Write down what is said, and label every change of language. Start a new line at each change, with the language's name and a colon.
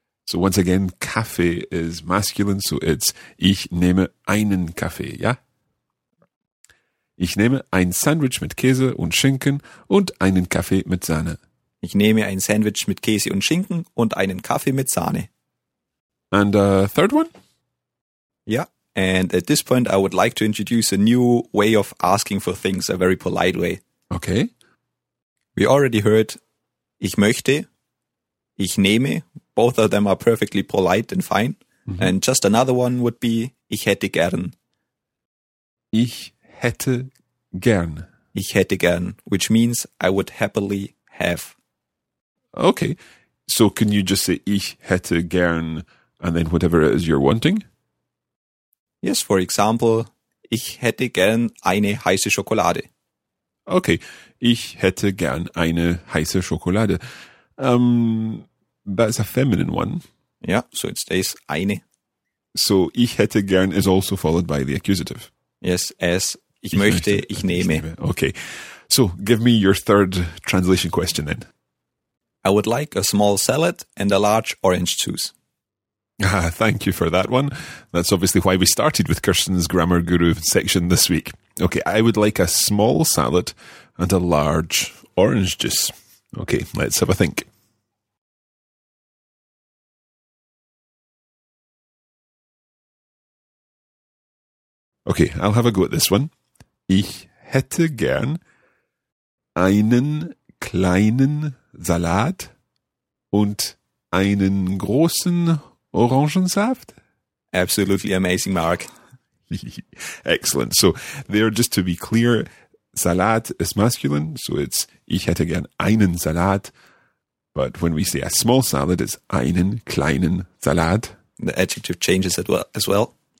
English: So once again, Kaffee is masculine, so it's
German: ich nehme einen Kaffee, ja? Ich nehme ein Sandwich mit Käse und Schinken und einen Kaffee mit Sahne. Ich nehme ein Sandwich mit Käse und Schinken und einen Kaffee mit Sahne.
English: And a third one? Yeah, and at this point I would like to introduce a new way of asking for things, a very polite way. Okay. We already heard,
German: ich möchte, ich nehme.
English: Both of them are perfectly polite and fine. Mm-hmm. And just another one would be,
German: ich hätte gern. Ich hätte gern. Ich hätte gern,
English: which means I would happily have. Okay. So can you just say,
German: ich hätte gern,
English: and then whatever it is you're wanting? Yes, for example,
German: ich hätte gern eine heiße Schokolade.
English: Okay.
German: Ich hätte gern eine heiße Schokolade.
English: That's a feminine one. Yeah, so it stays eine. So,
German: ich hätte gern
English: is also followed by the accusative.
German: Yes, es. Ich möchte, ich nehme.
English: Okay. So, give me your third translation question then. I would like a small salad and a large orange juice. Ah, thank you for that one. That's obviously why we started with Kirsten's Grammar Guru section this week. Okay, I would like a small salad and a large orange juice. Okay, let's have a think. Okay, I'll have a go at this one.
German: Ich hätte gern einen kleinen Salat und einen großen Orangensaft.
English: Absolutely amazing, Mark. Excellent. So there, just to be clear, Salat is masculine, so it's
German: ich hätte gern einen Salat.
English: But when we say a small salad, it's
German: einen kleinen Salat.
English: The adjective changes as well.